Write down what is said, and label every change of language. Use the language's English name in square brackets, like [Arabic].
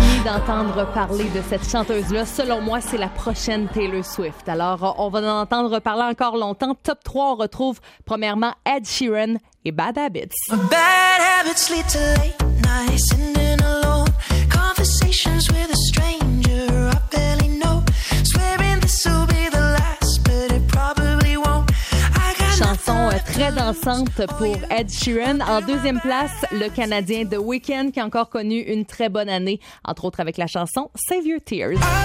[French] Entendre parler de cette chanteuse-là, selon moi, c'est la prochaine Taylor Swift. Alors, on va en entendre parler encore longtemps. Top 3, on retrouve premièrement Ed Sheeran et Bad Habits. [English] Bad habits lead to late nights, sitting alone. Conversations with a stranger, I barely know. Swearing this will be the last, but it probably won't. I got [French] chanson très très dansante pour Ed Sheeran. En deuxième place, le Canadien The Weeknd, qui a encore connu une très bonne année, entre autres avec la chanson Save Your Tears.